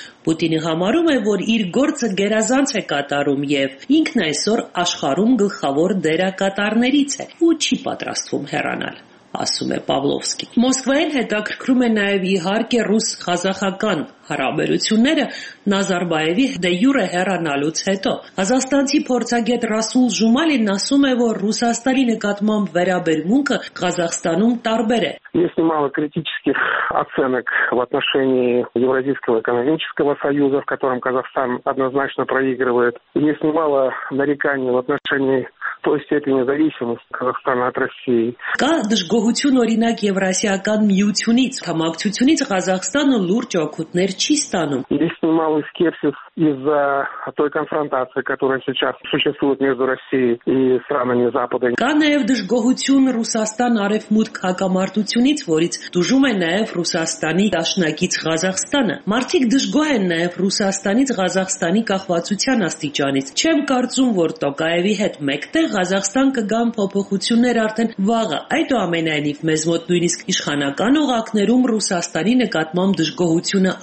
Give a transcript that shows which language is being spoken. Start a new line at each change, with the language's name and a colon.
Armenian: Պուտինը համարում է, որ իր գործը գերազանց է կատարում, և ինքն այսօր աշխարհում գլխավոր դերակատարներից է ու չի պատրաստվում հեռանալ, ասում է Պավլովսկի։ Մոսկվային հետաքրքրում է նաև իհարկե ռուս-ղազախական հարաբերությունները Նազարբայևի դե յուրե հեռանալուց հետո։ Ղազախստանցի փորձագետ Ռասուլ Ժումալին ասում է, որ Ռուսաստանի նկատմամբ վերաբերմունքը Ղազախստանում տարբեր է։
Russian: Есть немало критических оценок в отношении Евразийского экономического союза, в котором Казахстан однозначно проигрывает. Есть немало нареканий в отношении той степени зависимости Казахстана от России.
Armenian: Կա դժգոհություն, օրինակ, Եվրասիական միությունից, համակցությունից Ղազախստանը լուրջ օգուտներ չի ստանում.
Russian: Есть немало скепсис из-за той конфронтации, которая сейчас существует между Россией и странами Запада.
Armenian: Կա նաև դժգոհություն Ռուսաստան արևմուտք հակամարտության որից դուժում է նաև Ռուսաստանի դաշնակից Ղազախստանը։ Մարդիկ դժգոհ են նաև Ռուսաստանից Ղազախստանի կախվածության աստիճանից։ Չեմ կարծում, որ Տոկաևի հետ մեկտեղ Ղազախստան կգան փոփոխություններ արդեն վաղը։ Այդուամենայնիվ մեզ մոտ նույնիսկ իշխանական օղակներում Ռուսաստանի նկատմամբ դժգոհությունը